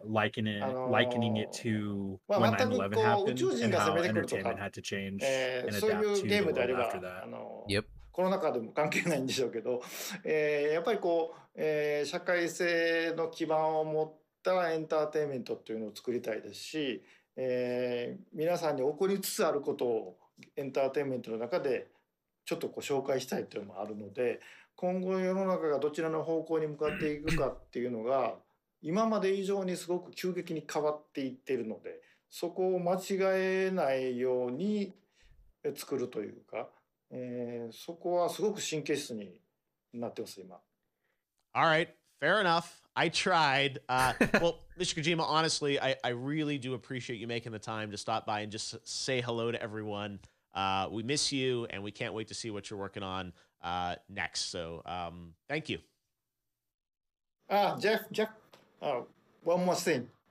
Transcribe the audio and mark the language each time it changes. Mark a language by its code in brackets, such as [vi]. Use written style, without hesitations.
[en] likening it to when 9/11 happened and how entertainment had to change and adapt to the world after that. Yep. [ja] コロナ禍でも関係ないんでしょうけど、やっぱりこう、社会性の基盤を持ったらエンターテインメントっていうのを作りたいですし、皆さんに起こりつつあることをエンターテインメントの中でちょっとこう紹介したいっていうのもあるので、今後世の中がどちらの方向に向かっていくかっていうのが今まで以上にすごく急激に変わっていっているので、そこを間違えないように作るというか、そこはすごく神経質になってます今。 [en] All right, fair enough. I tried. well, Mr. Kojima, honestly, I really do appreciate you making the time to stop by and just say hello to everyone. We miss you, and we can't wait to see what you're working on next. So, thank you. Jeff, one more thing.